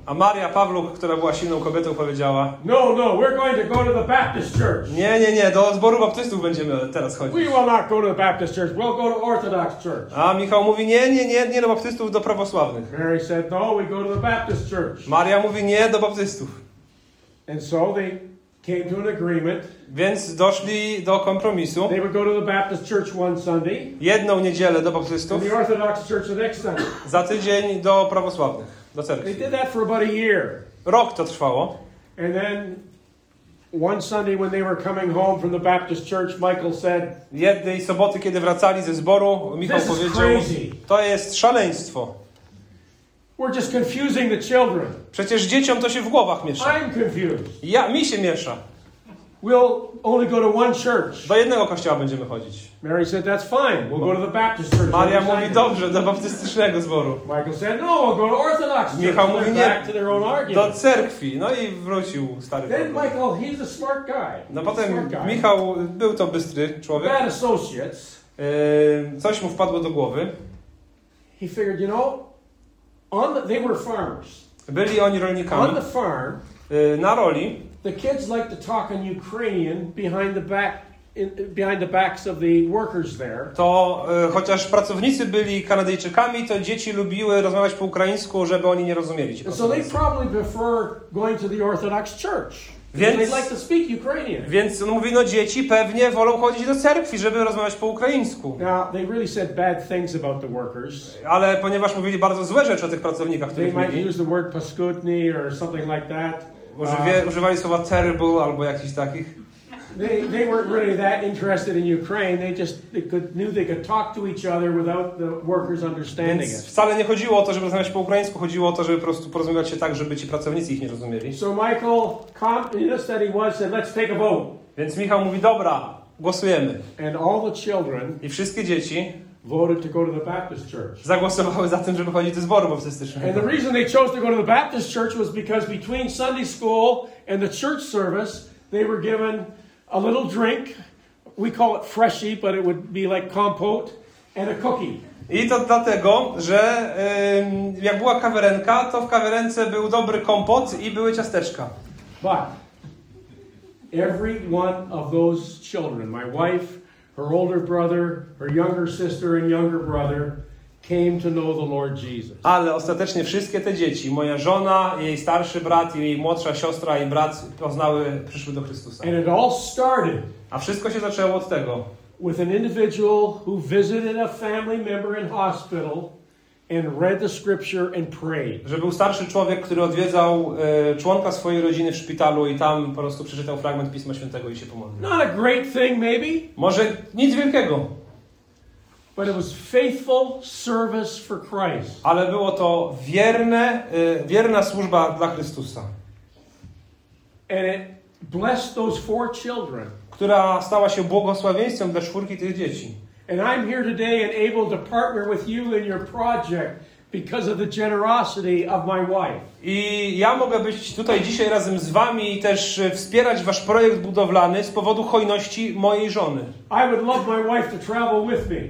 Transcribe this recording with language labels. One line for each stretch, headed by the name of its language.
Polish: A Maria Pawluk, która była silną kobietą, powiedziała,
English: "No, no, we're going to go to the Baptist church."
Polish: Nie, nie, nie, do zboru baptystów będziemy teraz chodzić.
English: "We will not go to the Baptist church, we'll go to Orthodox church."
Polish: A Michał mówi, nie, nie, nie, nie do baptystów, do prawosławnych.
English: Mary said, "No, we go to the Baptist church."
Polish: Maria mówi, nie, do baptystów.
English: And so they came to an agreement.
Polish: Więc doszli do kompromisu.
English: They would go to the Baptist church one Sunday.
Polish: Jedną niedzielę do baptystów.
English: And the Orthodox church the next Sunday.
Polish: Za tydzień do prawosławnych, do cerkwi.
English: They did that for about a year.
Polish: Rok to trwało.
English: And then one Sunday when they were coming home from the Baptist church, Michael said,
Polish: jednej soboty, kiedy wracali ze zboru, Michał powiedział,
English: crazy.
Polish: To jest szaleństwo.
English: We're just confusing the children.
Polish: Przecież dzieciom to się w głowach miesza.
English: I'm confused.
Polish: Ja, mi się miesza.
English: We'll only go to one church.
Polish: Do jednego kościoła będziemy chodzić.
English: Mary said, that's fine. We'll go to the Baptist church.
Polish: Maria mówi, dobrze, do baptystycznego zboru.
English: Michael said, no, we'll go to Orthodox church.
Polish: Michał mówi, nie,
English: back to their own argument.
Polish: Do cerkwi. No i wrócił stary.
English: Then Michael, he's a smart guy.
Polish: No potem Michał był to bystry człowiek.
English: Bad associates.
Polish: Coś mu wpadło do głowy.
English: He figured, you know, on the, they were farmers.
Polish: Byli oni rolnikami.
English: On the farm,
Polish: na roli.
English: The kids like to talk in Ukrainian behind the back, behind the backs of the workers there.
Polish: To chociaż pracownicy byli Kanadyjczykami, to dzieci lubiły rozmawiać po ukraińsku, żeby oni nie rozumieli.
English: So they probably prefer going to the Orthodox church.
Polish: Więc,
English: they'd like to speak Ukrainian.
Polish: Więc on mówi, no dzieci pewnie wolą chodzić do cerkwi, żeby rozmawiać po ukraińsku.
English: Now, they really said bad things about the workers.
Polish: Ale ponieważ mówili bardzo złe rzeczy o tych pracownikach, których
English: they
Polish: mówili.
English: They might use the word paskudny or something like that.
Polish: Używali słowa terrible albo jakichś takich.
English: They weren't really that interested in Ukraine. They knew they could talk to each other without the workers understanding it.
Polish: Wcale nie chodziło o to, żeby rozmawiać po ukraińsku. Chodziło o to, żeby po prostu porozumiewać się tak, żeby ci pracownicy ich nie rozumieli.
English: So Michael, communist that he was, said, "Let's take a vote."
Polish: Więc Michał mówi: "Dobra, głosujemy."
English: And all the children.
Polish: I wszystkie dzieci.
English: Voted to go to the Baptist church.
Polish: Zagłosowały za tym, żeby chodzić do zboru baptystycznego.
English: And the reason they chose to go to the Baptist church was because between Sunday school and the church service, they were given a little drink, we call it freshy, but it would be like compote, and a cookie.
Polish: I to dlatego, że jak była kawerenka, to w kawerence był dobry kompot i były ciasteczka.
English: But every one of those children, my wife, her older brother, her younger sister and younger brother, came to know the Lord Jesus.
Polish: Ale ostatecznie wszystkie te dzieci, moja żona, jej starszy brat, jej młodsza siostra i brat poznały, przyszły do Chrystusa.
English: And it all started.
Polish: A wszystko się zaczęło od tego.
English: With an individual who visited a family member in hospital and read the scripture and prayed.
Polish: Że był starszy człowiek, który odwiedzał członka swojej rodziny w szpitalu i tam po prostu przeczytał fragment Pisma Świętego i się pomodlił.
English: Not a great thing maybe?
Polish: Może nic wielkiego.
English: But it was faithful service for Christ.
Polish: Ale było to wierna służba dla Chrystusa.
English: And it blessed those four children.
Polish: Która stała się błogosławieństwem dla czwórki tych dzieci.
English: And I'm here today and able to partner with you in your project because of the generosity of my wife.
Polish: I ja mogę być tutaj dzisiaj razem z wami i też wspierać wasz projekt budowlany z powodu hojności mojej żony.
English: I would love my wife to travel with me.